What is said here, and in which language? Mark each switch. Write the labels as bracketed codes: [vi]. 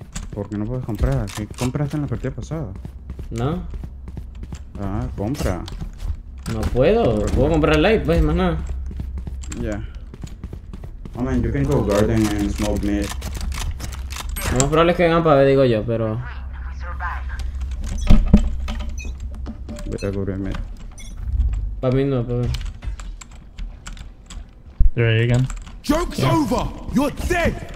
[es] ¿Por qué no puedes comprar? ¿Qué compraste en la partida pasada? No. Ah, compra. No puedo, puedo comprar light, pues, más nada. [en] Yeah. Oh man, you can go garden and smoke mid. [es] Lo más probable es que gampa, digo yo, pero. Voy a cubrir mid. Pa' mí no, pa' ver. [en] There you go. Joke's over! You're dead!